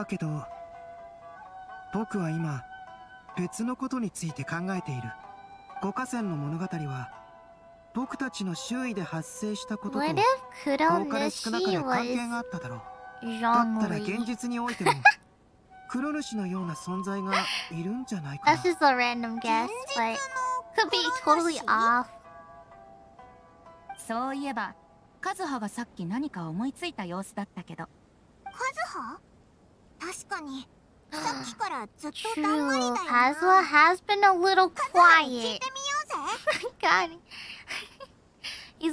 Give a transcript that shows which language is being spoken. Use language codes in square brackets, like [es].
[ja] だけど僕は今別のことについて考えている。五河川の物語は僕たちの周囲で発生したことと遠かれ少なかれ関係があっただろう。だったら現実においても黒主のような存在がいるんじゃないかな。 [en] This is a random guess, but could be totally off. [ja] そういえば、カズハがさっき何か思いついた様子だったけど。カズハ？確かに、さっきからずっとだんまりだよな。 [en] カズハ has been a little quiet. カズハ、 [ja] 聞いてみようぜ。